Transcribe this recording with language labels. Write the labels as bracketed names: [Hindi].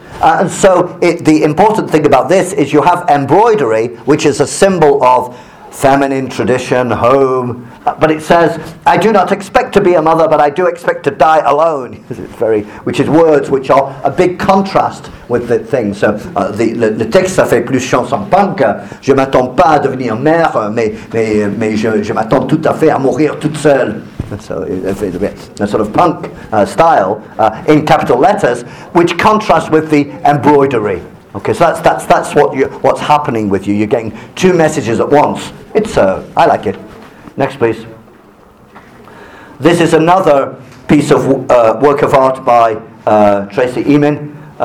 [English] And so the important thing about this is you have embroidery, which is a symbol of feminine tradition, home. But it says, I do not expect to be a mother, but I do expect to die alone. Which is words which are a big contrast with the thing. [French] So le texte, ça fait plus chanson punk. Je m'attends pas à devenir mère, mais je m'attends tout à fait à mourir toute seule. [English] So it's a bit a sort of punk style in capital letters, which contrasts with the embroidery. Okay, so that's what's happening with you. You're getting two messages at once. I like it. Next, please. This is another piece of work of art by Tracy Emin.